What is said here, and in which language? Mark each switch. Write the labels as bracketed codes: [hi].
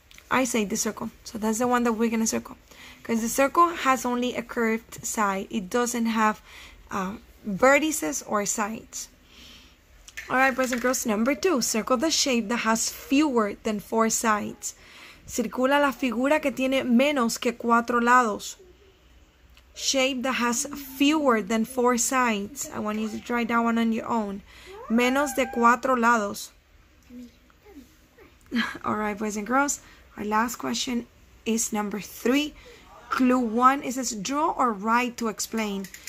[en] I say the circle. So that's the one that we're going to circle. Because the circle has only a curved side. It doesn't have vertices or sides. All right, boys and girls, number two. Circle the shape that has fewer than four sides. [es] Circula la figura que tiene menos que cuatro lados. [en] Shape that has fewer than four sides. I want you to try that one on your own. [es] Menos de cuatro lados. [en] All right, boys and girls. Our last question is number three. Clue one, it says, draw or write to explain.